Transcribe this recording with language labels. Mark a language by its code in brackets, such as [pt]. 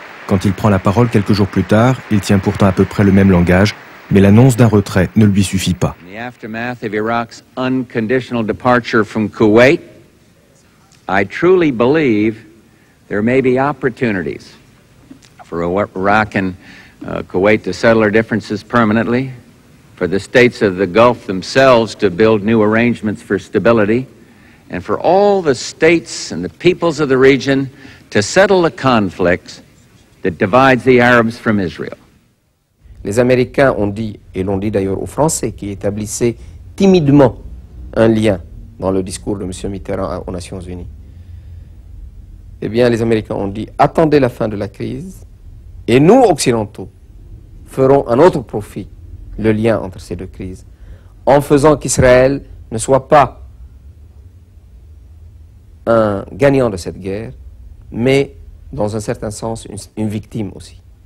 [fr] Quand il prend la parole quelques jours plus tard, il tient pourtant à peu près le même langage, mais l'annonce d'un retrait ne lui suffit pas. [en] In the aftermath of Iraq's unconditional departure from Kuwait, I truly believe there may be opportunities for Iraq and Kuwait to settle their differences permanently, for the states of the Gulf themselves to build new arrangements for stability, and for all the states and the peoples of the region to settle the conflicts that divides the Arabs from Israel. [fr] Les Américains ont dit, et l'ont dit d'ailleurs aux Français, qui établissaient timidement un lien dans le discours de M. Mitterrand aux Nations Unies. Eh bien, les Américains ont dit, attendez la fin de la crise, et nous, Occidentaux, ferons à notre profit le lien entre ces deux crises, en faisant qu'Israël ne soit pas un gagnant de cette guerre, mais, dans un certain sens, une victime aussi.